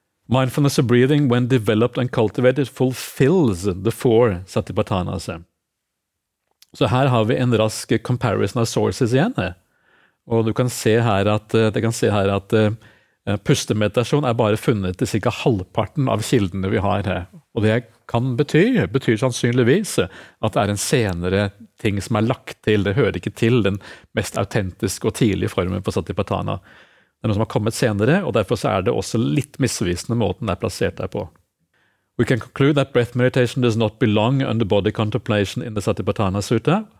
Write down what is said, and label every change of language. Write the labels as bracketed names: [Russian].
[English] Mindfulness of breathing, when developed and cultivated, fulfills the four Satipatthanas. [Norwegian] Så her har vi en rask comparison av sources igjen. Og du kan se her at pustemeditasjon er bare funnet i cirka halvparten av kildene vi har her. Og det kan bety, betyr sannsynligvis at det en senere ting som lagt til, det hører ikke til den mest autentiske og tidlige formen på Satipatthana. Det noe som har kommet senere, og derfor så det også litt misvisende måten det plassert der på. [English] We can conclude that breath meditation does not belong under body contemplation in the Satipatthana Sutta.